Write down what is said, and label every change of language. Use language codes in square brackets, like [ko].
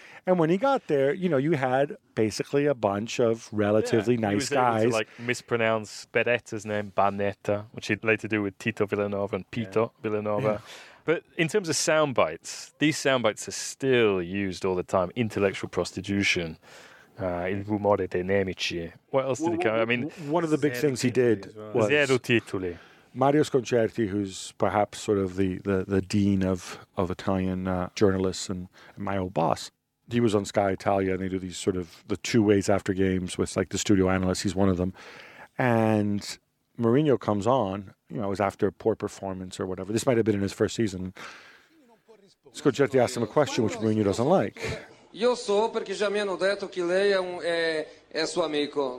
[en] And when he got there, you know, you had basically a bunch of relatively nice guys. He was able to, like, mispronounce Beretta's name, Banetta, which he'd later do with Tito Villanova and Pito Villanova. Yeah. But in terms of sound bites, these sound bites are still used all the time. Intellectual prostitution, [it] il rumore dei nemici. [en] What else did he come? I mean, one of the big things he did was [it] Zero Titoli. [en] Mario Sconcerti, who's perhaps sort of the dean of Italian journalists and my old boss. He was on Sky Italia, and they do these sort of the two ways after games with, like, the studio analysts. He's one of them. And Mourinho comes on, you know, it was after a poor performance or whatever. This might have been in his first season. Scogetti asked him a question which Mourinho doesn't like. [it] Io so perché già mi hanno detto che lei è suo amico.